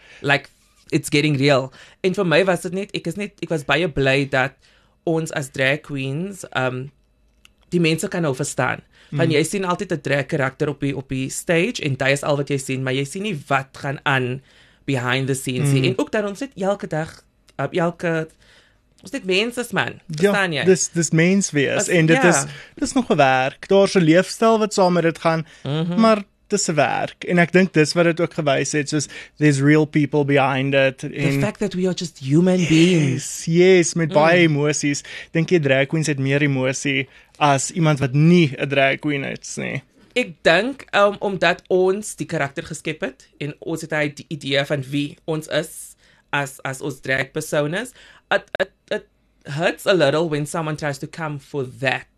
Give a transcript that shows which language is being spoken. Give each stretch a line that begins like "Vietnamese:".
English: Like, it's getting real.
Afrikaans: En vir my was dit net, ek was baie bly dat ons as drag queens, die mense kan nou verstaan. Want jy sien altyd 'n drag karakter op die stage, en dit is al wat jy sien, maar jy sien nie wat gaan aan,
English: behind the scenes.
Afrikaans: En ook dat ons het elke dag, ons het menses, man. Verstaan jy? Dis mens wees. En dit is nog 'n werk. Daar is 'n leefstijl wat saam met dit gaan, maar dis 'n werk. En ek dink dis wat dit ook gewys het, soos
English: there's real people behind it. The fact that we are just human beings.
Afrikaans: Yes, met baie emosies. Dink jy drag queens het meer emosie as iemand wat nie 'n drag queen is nie? Ek dink, omdat ons die karakter geskep het, en ons het die idee van wie ons is, as ons drag persoon is,
English: it hurts a little when someone tries to come for that.